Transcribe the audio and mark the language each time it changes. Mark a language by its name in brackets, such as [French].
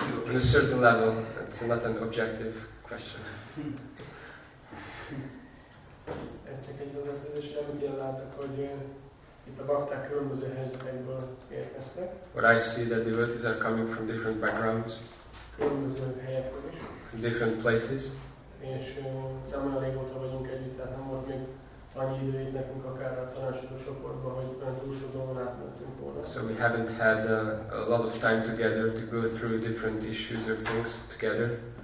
[English] On a certain level, it's not an objective question. [Hungarian] Csak egy olyan kérdés, amit én látok, hogy itt a bakták különböző helyzetekből érkeztek. [English] But I see that devotees are coming from different backgrounds. [Hungarian] Különböző helyekről is. [English] Different places. [Hungarian] És nem olyan régóta vagyunk együtt, tehát nem volt még annyi idő itt nekünk akár a tanácsadó csoportban, hogy olyan túl sok dolgon átmentünk volna. [English] So we haven't had a lot of time together to go through different issues or things together.